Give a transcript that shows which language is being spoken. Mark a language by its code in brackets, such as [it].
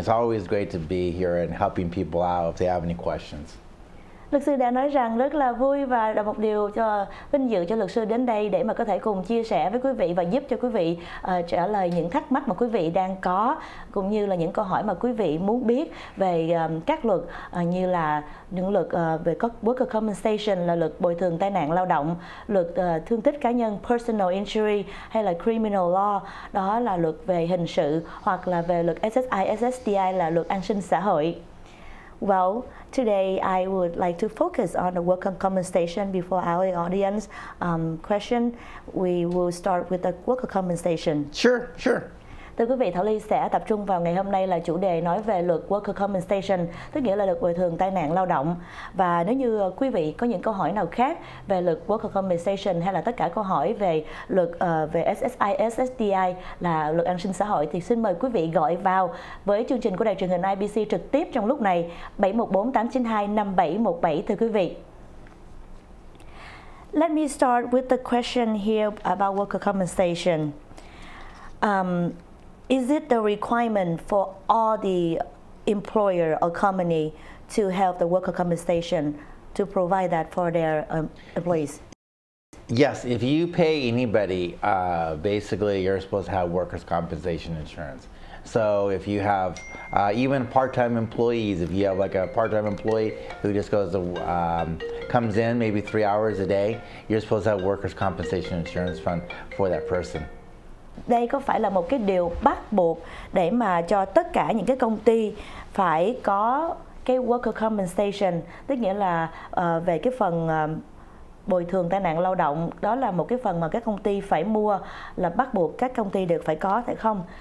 [en] It's always great to be here and helping people out if they have any questions. [vi] Luật sư đã nói rằng rất là vui và là một điều cho vinh dự cho luật sư đến đây để mà có thể cùng chia sẻ với quý vị và giúp cho quý vị trả lời những thắc mắc mà quý vị đang có cũng như là những câu hỏi mà quý vị muốn biết về các luật như là những luật về worker compensation là luật bồi thường tai nạn lao động, luật thương tích cá nhân personal injury hay là criminal law, đó là luật về hình sự, hoặc là về luật SSI, SSDI là luật an sinh xã hội. [en] Well, today I would like to focus on the worker compensation before our audience question. We will start with the worker compensation. Sure. [vi] Thưa quý vị, Thảo Ly sẽ tập trung vào ngày hôm nay là chủ đề nói về luật worker compensation, tức nghĩa là luật bồi thường tai nạn lao động. Và nếu như quý vị có những câu hỏi nào khác về luật worker compensation hay là tất cả câu hỏi về luật về SSI, SSDI là luật an sinh xã hội, thì xin mời quý vị gọi vào với chương trình của đài truyền hình IBC trực tiếp trong lúc này 714-892-5717 thưa quý vị. [en] Let me start with the question here about worker compensation. Is it the requirement for all the employer or company to have the worker compensation to provide that for their employees? Yes, if you pay anybody, basically you're supposed to have workers' compensation insurance. So if you have even part-time employees, if you have like a part-time employee who just goes to, comes in maybe 3 hours a day, you're supposed to have workers' compensation insurance fund for that person. [vi] Đây có phải là một cái điều bắt buộc để mà cho tất cả những cái công ty phải có cái worker compensation, tức nghĩa là về cái phần bồi thường tai nạn lao động, đó là một cái phần mà các công ty phải mua, là bắt buộc các công ty được phải có hay không?